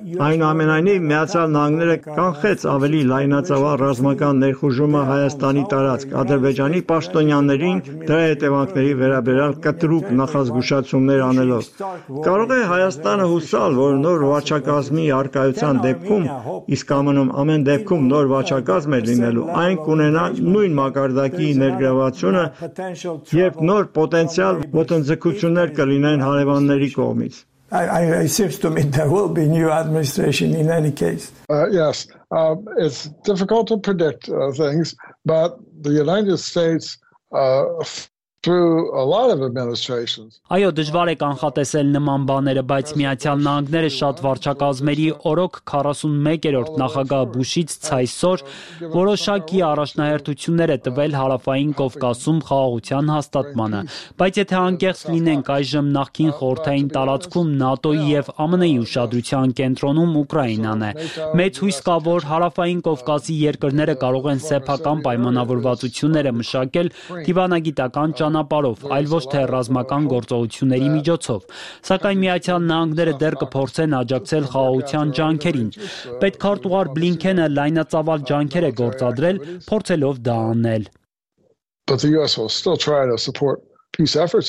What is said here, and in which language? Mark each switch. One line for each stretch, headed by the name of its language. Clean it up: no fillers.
Armenian: Այնուամենայնիվ Միացյալ Նահանգները կանխեց ավելի լայնածավալ ռազմական ներխուժումը Հայաստանի տարածք, Ադրբեջանի պաշտոնյաներին դրա հետևանքների վերաբերյալ կտրուկ նախազգուշացումներ անելով։ Կարող է Հայաստանը հուսալ, որ նոր վարչակազմի առկայության դեպքում, իսկ ամեն դեպքում նոր վարչակազմ է լինելու, այն կունենա նույն մակարդակի ներգրավվածությունը, երբ նոր պոտենցիալ ոտնձգություններ կլինեն հարևանների կողմից։
English: It seems to me there will be new administration in any case. Yes, it's difficult to predict things, but the United States through a lot of administrations.
Armenian: Այո, դժվար է կանխատեսել նման բաները, բայց Միացյալ Նահանգները շատ վարչակազմերի օրոք 41-րդ նախագահ Բուշից ցայսօր որոշակի առաջնահերթություններ է տվել Հարավային Կովկասում խաղաղության հաստատմանը, բայց եթե անկեղծ լինենք, այժմ նախքին խորհրդային տարածքում ՆԱՏՕ-ի եւ ԱՄՆ-ի ուշադրության կենտրոնում Ուկրաինան է։ Մեծ հույս կա, որ Հարավային Կովկասի երկրները կարող են սեփական պայմանավորվածությունները մշակել դիվանագիտական ճանապարով, այլ ոչ թե ռազմական գործողությունների միջոցով։ Սակայն Միացյալ Նահանգները դեռ կփորձեն աջակցել խաղաղության ջանքերին։ Պետ քարտուղար Բլինքենը լայնածավալ ջանքեր է գործադրել, փորձելով դա անել։
English: But the US will still try to support peace efforts.